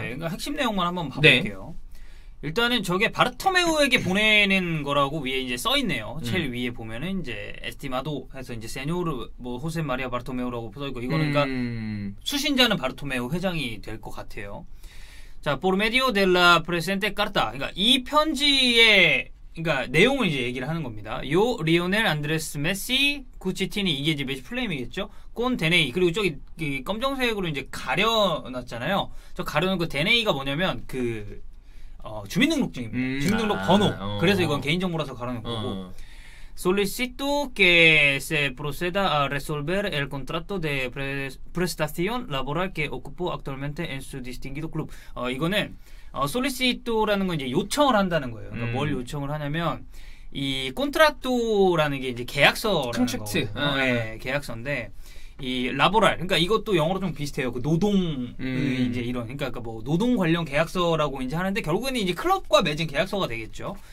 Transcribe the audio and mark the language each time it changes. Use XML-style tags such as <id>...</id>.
<ko>네, 핵심 내용만 한번 네. 봐볼게요. 일단은 저게 바르토메우에게 보내는 거라고 위에 이제 써 있네요. 제일 위에 보면은 이제 에스티마도 해서 이제 세뇨르 뭐 호세 마리아 바르토메우라고 써 있고 이거는 그러니까 수신자는 바르토메우 회장이 될것 같아요.</ko> <es>자, por medio de la presente carta.</es> <ko>그러니까 이 편지에 그러니까 내용을 이제 얘기를 하는 겁니다. 요 리오넬 안드레스 메시 구치티니 이게 이제 메시 플레임이겠죠? 꼰 데네이 그리고 저기 검정색으로 이제 가려놨잖아요. 저 가려놓은 그 데네이가 뭐냐면 그 주민등록증입니다. 주민등록 번호. 그래서 이건 개인정보라서 가려놓은 거고.</ko> <es>Solicito que se proceda a resolver el contrato de prestación laboral que ocupo actualmente en su distinguido club.</es> <ko>이거는 Solicito라는 건 이제 요청을 한다는 거예요. 그러니까 뭘 요청을 하냐면 이 contrato라는 게 이제 계약서라는 컨트랙트. 거거든요. 예, 계약서인데 이 laboral. 그러니까 이것도 영어로 좀 비슷해요. 그 노동의 이제 이런. 그러니까 뭐 노동 관련 계약서라고 이제 하는데 결국에는 이제 클럽과 맺은 계약서가 되겠죠.</ko>